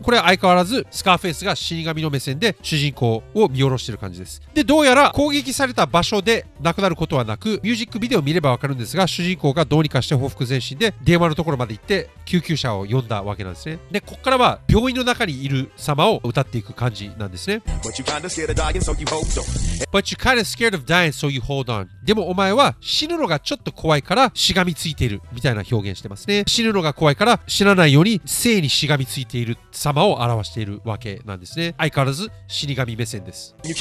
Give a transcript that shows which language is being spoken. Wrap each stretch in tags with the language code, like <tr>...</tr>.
<ja>これは相変わらずスカーフェイスが死神の目線で主人公を見下ろしてる感じです。で、どうやら攻撃された場所で亡くなることはなく、ミュージックビデオを見ればわかるんですが、主人公がどうにかして報復前進で電話のところまで行って救急車を呼んだわけなんですね。で、こっからは病院の中にいる様を歌っていく感じなんですね。</ja> <en>But you kinda scared of dying so you hold on。 But you're kind of scared of dying, so you hold on.</en> <ja>でもお前は死ぬのがちょっと怖いからしがみついているみたいな表現してますね。死ぬのが怖いから死なないように生にしがみついている様を表しているわけなんですね。相変わらず死神目線です。</ja>